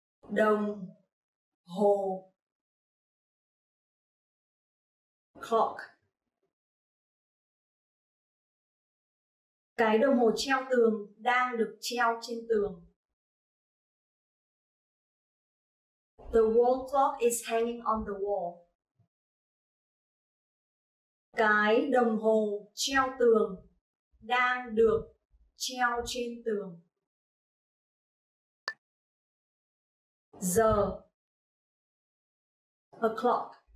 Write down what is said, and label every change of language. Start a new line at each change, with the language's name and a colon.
Vietnamese: Đồng hồ.
English: Clock.
Vietnamese: Cái đồng hồ treo tường đang được treo trên tường.
English: The wall clock is hanging on the wall.
Vietnamese: Cái đồng hồ treo tường đang được treo trên tường. Giờ.
English: O'clock.